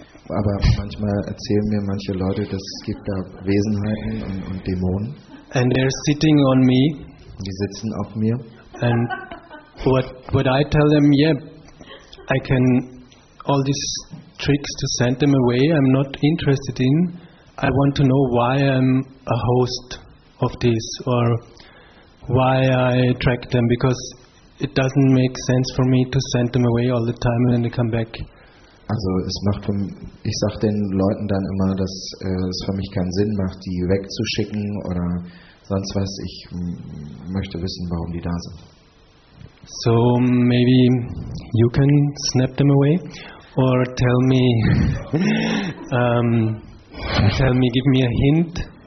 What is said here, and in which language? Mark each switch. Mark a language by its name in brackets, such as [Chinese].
[German] Aber manchmal erzählen mir manche Leute, dass es gibt da Wesenheiten und Dämonen. [English] And they're sitting on me. [German] Die sitzen auf mir. [English] And what I tell them, yeah, I can all these tricks to send them away. I'm not interested in. I want to know why I'm a host of this, or why I track them, because it doesn't make sense for me to send them away all the time and then they come back. [German] Also, es macht für mich, ich sag den Leuten dann immer, dass es für mich keinen Sinn macht, die wegzuschicken oder sonst was. Ich möchte wissen, warum die da sind. [English] So maybe you can snap them away or tell me, give me a hint.